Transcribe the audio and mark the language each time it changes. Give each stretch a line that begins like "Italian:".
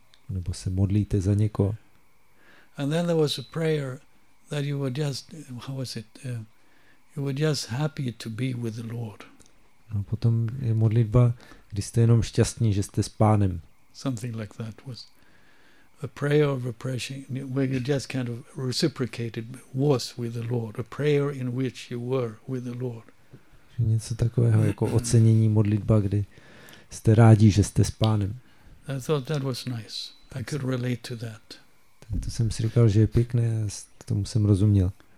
Czech: Nebo se modlíte za někoho.
English: And then there was a prayer that you were just, how was it, you were just happy to be with the Lord.
Czech: No, potom je modlitba, kdy jste jenom šťastní, že jste s Pánem.
English: Something like that was a prayer of appreciation, where you just kind of reciprocated, was with the Lord, a prayer in which you were with the Lord.
Czech: Něco takového jako ocenění modlitba, kdy jste rádi, že jste s Pánem.
English: I thought that was nice. I could relate to that.
Czech: To jsem si říkal, že je pěkné, a tomu jsem rozuměl.